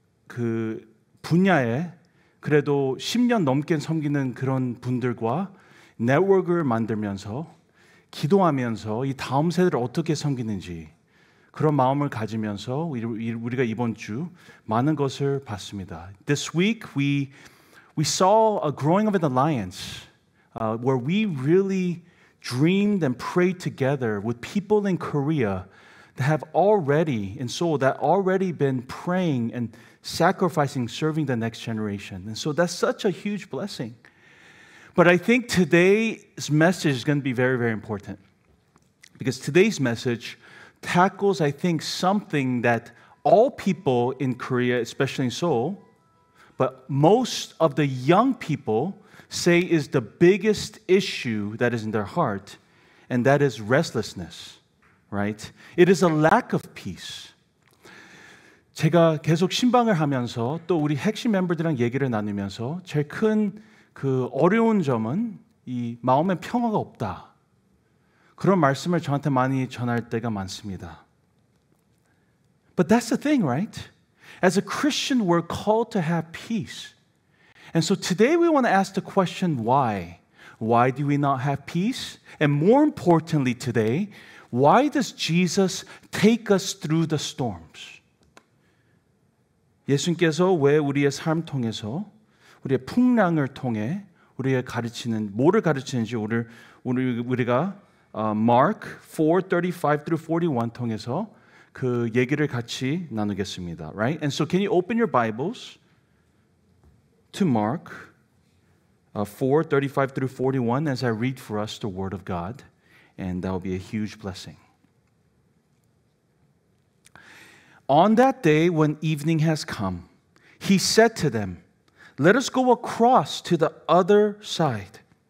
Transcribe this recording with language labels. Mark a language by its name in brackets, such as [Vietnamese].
[English] I'm going to say that [Korean] 그래도 10년 넘게 섬기는 그런 분들과 네트워크를 만들면서 기도하면서 이 다음 세대를 어떻게 섬기는지 그런 마음을 가지면서 우리가 이번 주 많은 것을 봤습니다. [English] This week we saw a growing of an alliance where we really dreamed and prayed together with people in Korea that have already in Seoul that already been praying and sacrificing, serving the next generation. And so that's such a huge blessing. But I think today's message is going to be very, very important. Because today's message tackles, I think, something that all people in Korea, especially in Seoul, but most of the young people say is the biggest issue that is in their heart, and that is restlessness, right? It is a lack of peace. [Korean] 제가 계속 신방을 하면서 또 우리 핵심 멤버들이랑 얘기를 나누면서 제일 큰 그 어려운 점은 이 마음의 평화가 없다. 그런 말씀을 저한테 많이 전할 때가 많습니다. [English] But that's the thing, right? As a Christian, we're called to have peace. And so today we want to ask the question, why? Why do we not have peace? And more importantly today, why does Jesus take us through the storms? [Korean] 예수님께서 왜 우리의 삶 통해서 우리의 풍랑을 통해 우리의 가르치는 뭐를 가르치는지 우리가 [English] Mark 4:35 through 41 [Korean] 통해서 그 얘기를 같이 나누겠습니다. [English] Right? And so can you open your Bibles to Mark 4:35 through 41 as I read for us the word of God, and that will be a huge blessing. On that day when evening has come, he said to them, "Let us go across to the other side."